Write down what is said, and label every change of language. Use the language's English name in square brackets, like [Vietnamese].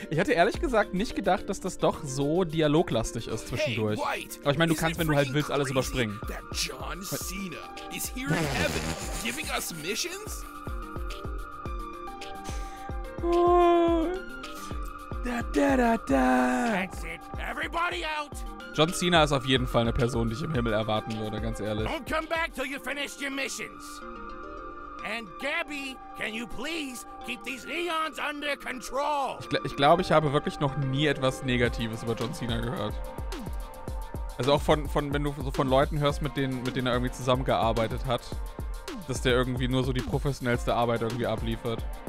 [German] Ich hatte ehrlich gesagt nicht gedacht, dass das doch so dialoglastig ist zwischendurch. [English] Hey, White, [German] aber ich meine, du kannst, wenn du halt willst, alles überspringen. [English] That John Cena is here in heaven giving us missions? Da, da, da, da. That's it. Everybody out. [German] John Cena ist auf jeden Fall eine Person, die ich im Himmel erwarten würde, ganz ehrlich. [English] Don't come back till you finish your missions. And Gabby, can you please keep these neons under control? [German] Ich glaube, ich habe wirklich noch nie etwas Negatives über John Cena gehört. Also auch von wenn du so von Leuten hörst, mit denen er irgendwie zusammengearbeitet hat, dass der irgendwie nur so die professionellste Arbeit irgendwie abliefert.